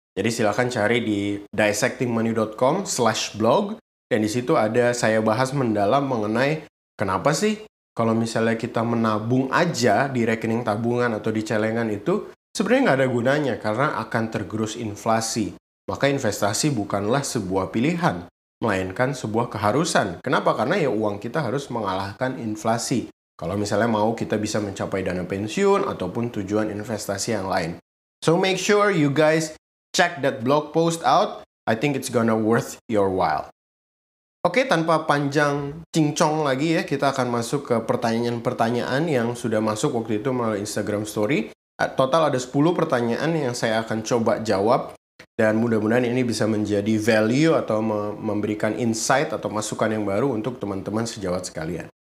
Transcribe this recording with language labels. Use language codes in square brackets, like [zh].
[id] Jadi silakan cari di dissectingmoney.com/blog dan di situ ada saya bahas mendalam mengenai kenapa sih kalau misalnya kita menabung aja di rekening tabungan atau di celengan itu sebenarnya nggak ada gunanya karena akan tergerus inflasi. Maka investasi bukanlah sebuah pilihan, melainkan sebuah keharusan. Kenapa? Karena ya uang kita harus mengalahkan inflasi. Kalau misalnya mau kita bisa mencapai dana pensiun ataupun tujuan investasi yang lain. [en] So make sure you guys check that blog post out. I think it's gonna worth your while. [id] Oke, tanpa panjang cincong lagi ya, kita akan masuk ke pertanyaan-pertanyaan yang sudah masuk waktu itu melalui Instagram story. Total ada 10 pertanyaan yang saya akan coba jawab. Dan mudah-mudahan ini bisa menjadi value atau memberikan insight atau masukan yang baru untuk teman-teman sejawat sekalian.